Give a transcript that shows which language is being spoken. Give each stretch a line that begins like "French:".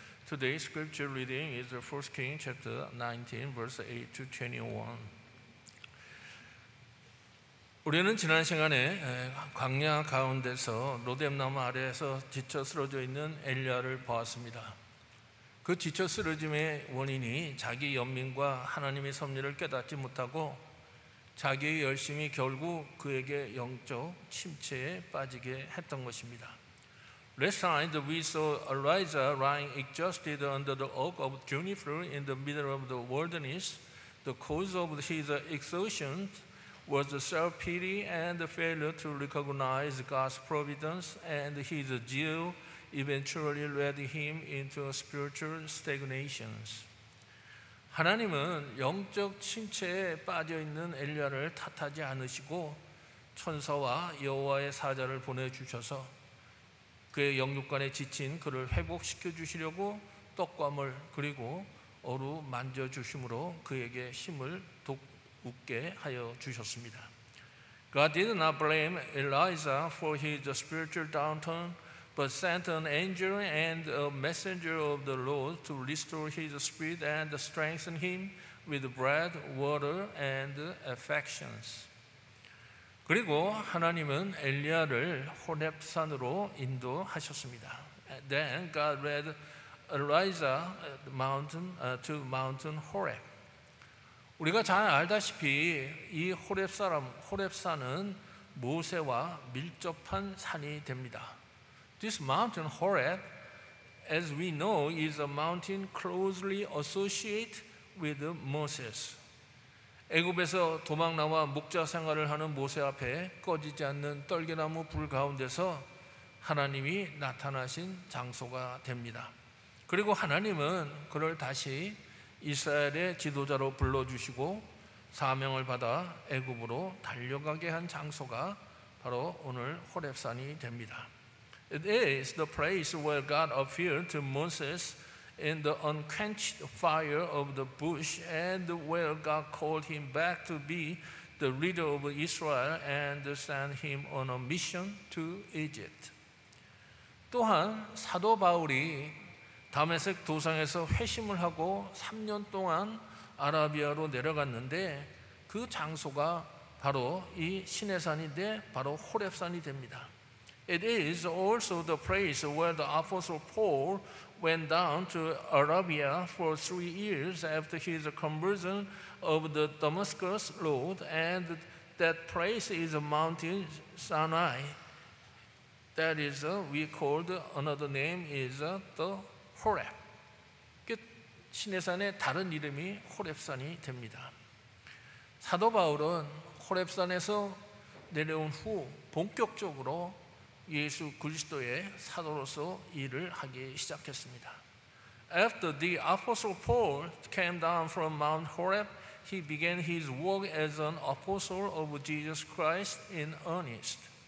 English: Today's scripture reading is the First Kings chapter 19 verse 8 to 21.
Korean: 우리는 지난 시간에 광야 가운데서 로뎀나무 아래에서 지쳐 쓰러져 있는 엘리야를 보았습니다. 그 지쳐 쓰러짐의 원인이 자기 연민과 하나님의 섭리를 깨닫지 못하고 자기의 열심이 결국 그에게 영적 침체에 빠지게 했던 것입니다.
English: Last night we saw Elijah lying exhausted under the oak of juniper in the middle of the wilderness. The cause of his exhaustion was self-pity and the failure to recognize God's providence, and his zeal eventually led him into spiritual stagnation.
Korean: 하나님은 영적 침체에 빠져 있는 엘리야를 탓하지 않으시고 천사와 여호와의 사자를 보내 주셔서 그의 영육간에 지친 그를 회복시켜 주시려고 떡과 물 그리고 어루 만져 주심으로 그에게 힘을 돋우게 하여 주셨습니다.
English: God did not blame Elijah for his spiritual downturn, but sent an angel and a messenger of the Lord to restore his spirit and strengthen him with bread, water, and affections.
Korean: 그리고 하나님은 엘리야를 호렙산으로 인도하셨습니다.
English: Then God led Elijah to Mount Horeb.
Korean: 우리가 잘 알다시피 이 호렙산은 모세와 밀접한 산이 됩니다.
English: This mountain Horeb, as we know, is a mountain closely associated with Moses.
Korean: 애굽에서 도망 나와 목자 생활을 하는 모세 앞에 꺼지지 않는 떨기나무 불 가운데서 하나님이 나타나신 장소가 됩니다. 그리고 하나님은 그를 다시 이스라엘의 지도자로 불러주시고 사명을 받아 애굽으로 달려가게 한 장소가 바로 오늘 호렙산이 됩니다.
English: It is the place where God appeared to Moses in the unquenched fire of the bush and where God called him back to be the leader of Israel and sent him on a mission to Egypt.
Korean: 또한 사도 바울이 다메섹 도상에서 회심을 하고 3년 동안 아라비아로 내려갔는데 그 장소가 바로 이 시내산인데 바로 호렙산이 됩니다.
English: It is also the place where the Apostle Paul went down to Arabia for 3 years after his conversion of the Damascus Road, and that place is a mountain Sinai. That is, we call another name is the Horeb.
Korean: 시내산의 다른 이름이 호렙산이 됩니다. 사도 바울은 호렙산에서 내려온 후 본격적으로 예수 그리스도의 사도로서 일을 하기 시작했습니다.
English: After the Apostle Paul came down from Mount Horeb, he began his work as an apostle of Jesus Christ in earnest.